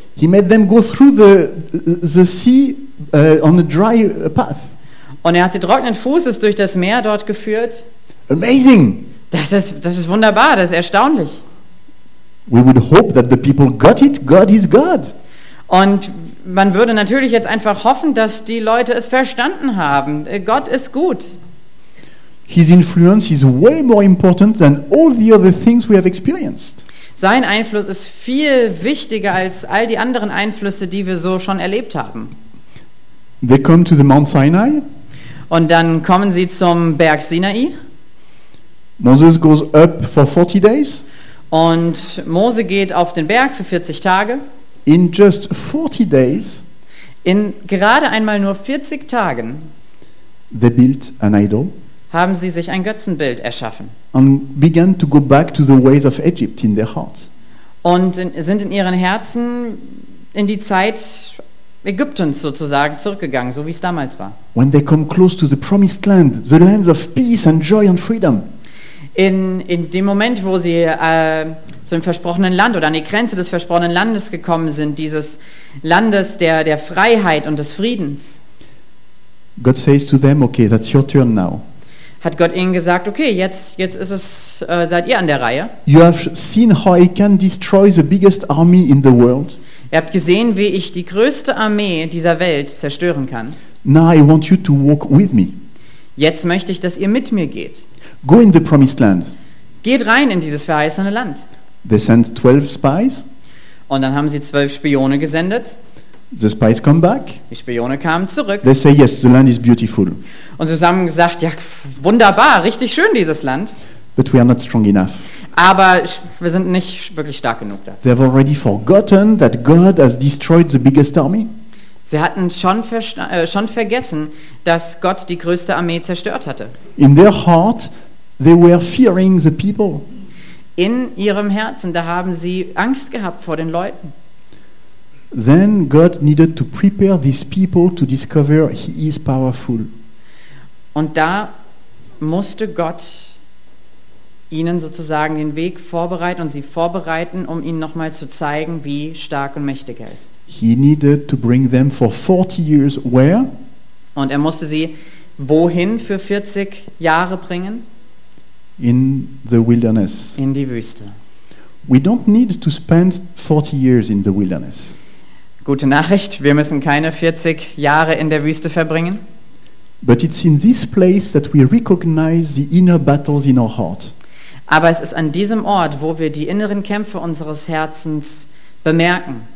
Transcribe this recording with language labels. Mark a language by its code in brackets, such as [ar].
[en] He made them go through the sea on a dry path. [de] Und er hat sie trockenen Fußes durch das Meer dort geführt. [en] Amazing. [de] Das ist wunderbar, das ist erstaunlich. [en] We would hope that the people got it. God is God. [de] Und man würde natürlich jetzt einfach hoffen, dass die Leute es verstanden haben. Gott ist gut. [en] His influence is way more important than all the other things we have experienced. [de] Sein Einfluss ist viel wichtiger als all die anderen Einflüsse, die wir so schon erlebt haben. [en] They come to the Mount Sinai. [de] Und dann kommen sie zum Berg Sinai. [en] Moses goes up for 40 days. [de] Und Mose geht auf den Berg für 40 Tage. [en] In just 40 days. [de] In gerade einmal nur 40 Tagen. [en] They built an idol. [de] Haben sie sich ein Götzenbild erschaffen. [en] And began to go back to the ways of Egypt in their hearts. [de] Und sind in ihren Herzen in die Zeit Ägyptens sozusagen zurückgegangen, so wie es damals war. [en] When they come close to the promised land, the land of peace and joy and freedom. [de] In dem Moment, wo sie zu dem versprochenen Land oder an die Grenze des versprochenen Landes gekommen sind, dieses Landes der Freiheit und des Friedens. [en] God says to them, okay, that's your turn now. [de] Hat Gott ihnen gesagt, okay, jetzt ist es seid ihr an der Reihe. [en] You have seen how I can destroy the biggest army in the world. [de] Ihr habt gesehen, wie ich die größte Armee dieser Welt zerstören kann. [en] Now I want you to walk with me. [de] Jetzt möchte ich, dass ihr mit mir geht. [en] Go in the promised land. [de] Geht rein in dieses verheißene Land. [en] They send 12 spies. [de] Und dann haben sie 12 Spione gesendet. [en] The spies come back. [de] Die Spione kamen zurück. [en] They say yes, the land is beautiful. [de] Und sie haben gesagt, ja, wunderbar, richtig schön dieses Land. [en] But we are not strong enough. [de] Aber wir sind nicht wirklich stark genug da. [en] They have already forgotten that God has destroyed the biggest army. [de] Sie hatten schon vergessen, dass Gott die größte Armee zerstört hatte. [en] In their heart, they were fearing the people. [de] In ihrem Herzen, da haben sie Angst gehabt vor den Leuten. [en] Then God needed to prepare these people to discover he is powerful. [de] Und da musste Gott ihnen sozusagen den Weg vorbereiten und sie vorbereiten, um ihnen nochmal zu zeigen, wie stark und mächtig er ist. [en] He needed to bring them for 40 years where? [de] Und er musste sie wohin für 40 Jahre bringen? [en] In the wilderness. [de] In die Wüste. [en] We don't need to spend 40 years in the wilderness. [de] Gute Nachricht, wir müssen keine 40 Jahre in der Wüste verbringen. [en] But it's in this place that we recognize the inner battles in our heart. [de] Aber es ist an diesem Ort, wo wir die inneren Kämpfe unseres Herzens bemerken.